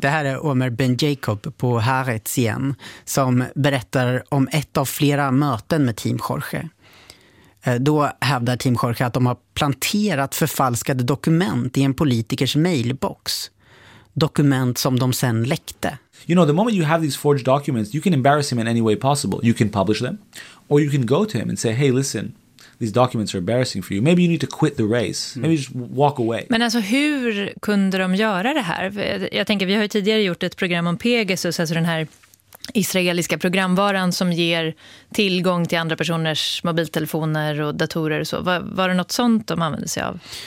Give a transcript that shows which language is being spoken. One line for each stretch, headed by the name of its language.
Swedish: Det här är Omer Ben Jacob på Haaretz igen, som berättar om ett av flera möten med Team Jorge. Då hävdar Team Jorge att de har planterat förfalskade dokument i en politikers mailbox. Dokument som de sen läckte.
English: You know, the moment you have these forged documents, you can embarrass him in any way possible. You can publish them, or you can go to him and say, hey, listen, these documents are embarrassing for you. Maybe you need to quit the race. Maybe just walk away.
Swedish: Men alltså, hur kunde de göra det här? Jag tänker, vi har ju tidigare gjort ett program om Pegasus, alltså den här israeliska programvaran som ger tillgång till andra personers mobiltelefoner och datorer och så. Var det något sånt de använde sig av?